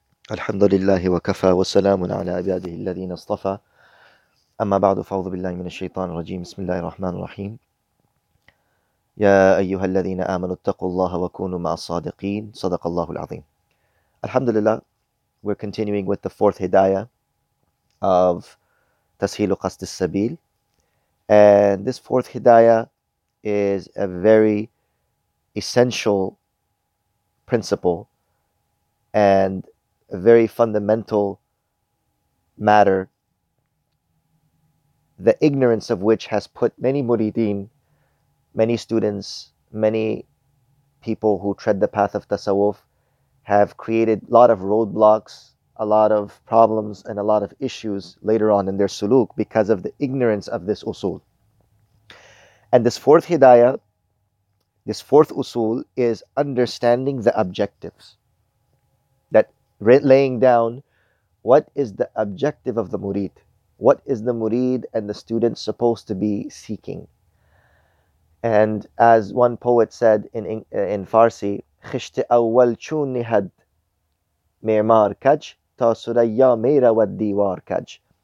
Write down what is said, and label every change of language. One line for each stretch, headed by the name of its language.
Arabic: الحمد لله وكفى وسلام على عباده الذين اصطفى. أما بعد، فأعوذ بالله من الشيطان الرجيم. بسم الله الرحمن الرحيم. يا أيها الذين آمنوا اتقوا الله وكونوا مع الصادقين. صدق الله العظيم. الحمد لله.
English: We're continuing with the fourth hidayah of تسهيل قصد السبيل. And this fourth hidayah is a very essential principle and a very fundamental matter, the ignorance of which has put many muridin, many students, many people who tread the path of tasawuf, have created a lot of roadblocks, a lot of problems, and a lot of issues later on in their suluk because of the ignorance of this usul. And this fourth hidayah, this fourth usul, is understanding the objectives. That laying down, what is the objective of the murid? What is the murid and the student supposed to be seeking? And as one poet said in Farsi,
Persian: خشت أول چون نهد معمار کج تا سریا میرود دیوار کج.